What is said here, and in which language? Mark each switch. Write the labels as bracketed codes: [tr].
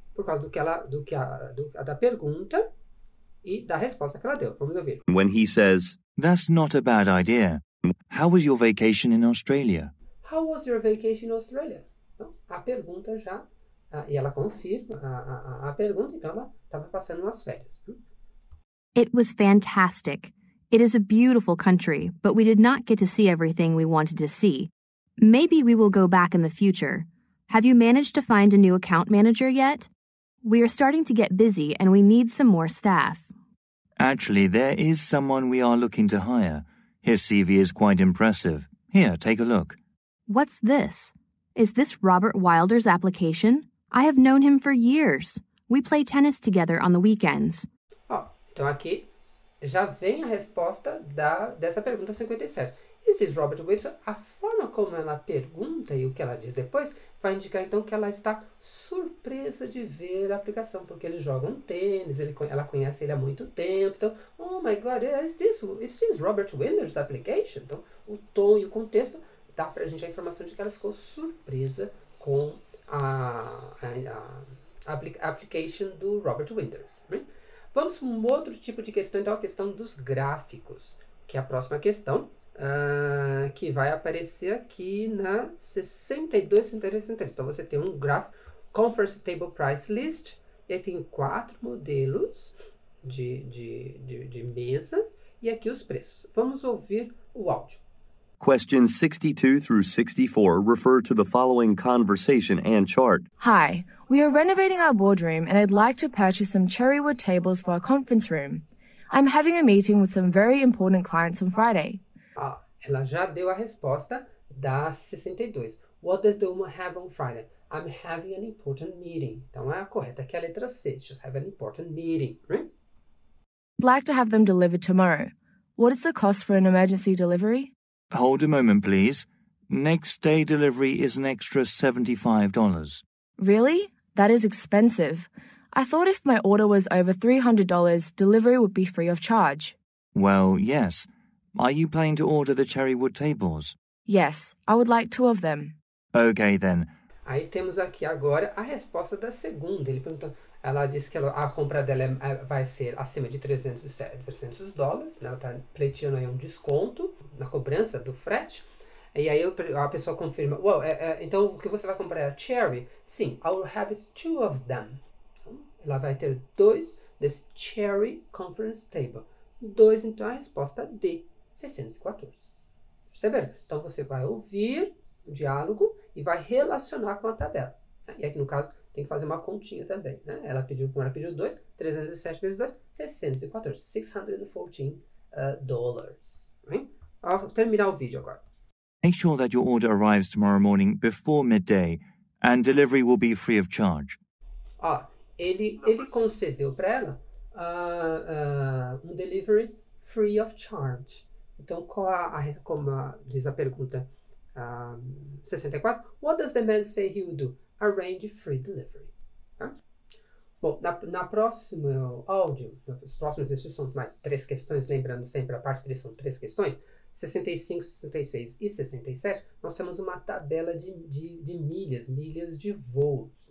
[pt] Por causa da pergunta e da resposta que ela deu. Vamos ouvir. [en] When he says, that's not a bad idea. How was your vacation in Australia? How was your vacation in Australia? [pt] Então, a pergunta já, e ela confirma a pergunta, então ela estava passando umas férias. [en] It was fantastic. It is a beautiful country, but we did not get to see everything we wanted to see. Maybe we will go back in the future. Have you managed to find a new account manager yet? We are starting to get busy and we need some more staff. Actually, there is someone we are looking to hire. His CV is quite impressive. Here, take a look. What's this? Is this Robert Wilder's application? I have known him for years. We play tennis together on the weekends. [pt] Então aqui já vem a resposta dessa pergunta 57. [en] This is Robert Wilder. [pt] A forma como ela pergunta e o que ela diz depois vai indicar, então, que ela está surpresa de ver a aplicação, porque eles jogam tênis, ela conhece ele há muito tempo. [en] Então, oh my God, is this Robert Winter's application? [pt] Então, o tom e o contexto dá para a gente a informação de que ela ficou surpresa com a application do Robert Winter's. Vamos para um outro tipo de questão, então, a questão dos gráficos, que é a próxima questão. Que vai aparecer aqui na 62. Então você tem um gráfico Conference Table Price List, e aí tem quatro modelos de mesas e aqui os preços. Vamos ouvir o áudio. [en] Questions 62 through 64 refer to the following conversation and chart. Hi, we are renovating our boardroom and I'd like to purchase some cherry wood tables for our conference room. I'm having a meeting with some very important clients on Friday. [pt] Ela já deu a resposta da 62. [en] What does the woman have on Friday? I'm having an important meeting. [pt] Então, é a correta que é a letra C. [en] She's having an important meeting, right? I'd like to have them delivered tomorrow. What is the cost for an emergency delivery? Hold a moment, please. Next day delivery is an extra $75. Really? That is expensive. I thought if my order was over $300, delivery would be free of charge. Well, yes. Are you planning to order the cherry wood tables? Yes, I would like two of them. Okay, then. [pt] Aí temos aqui agora a resposta da segunda. Ele perguntou, ela disse que ela, a compra dela é, vai ser acima de $300, né? Ela está pleiteando aí um desconto na cobrança do frete. E aí a pessoa confirma, well, então o que você vai comprar é a cherry? [en] Sim, I will have two of them. [pt] Ela vai ter dois desse [en] cherry conference table. [pt] Dois, então, a resposta D, 614. Perceberam? Então, você vai ouvir o diálogo e vai relacionar com a tabela. Né? E aqui, no caso, tem que fazer uma continha também. Né? Ela pediu, como ela pediu, 2, 307 vezes 2, 614. [en] $614. Right? [pt] Vou terminar o vídeo agora. [en] Make sure that your order arrives tomorrow morning before midday and delivery will be free of charge. [pt] Ó, ele concedeu para ela um [en] delivery free of charge. [pt] Então, como diz a pergunta 64, [en] what does the man say he will do? Arrange free delivery. [pt] Tá? Bom, na próxima áudio, nos próximos exercícios são mais três questões, lembrando sempre a parte 3 são três questões, 65, 66 e 67, nós temos uma tabela de milhas de voos.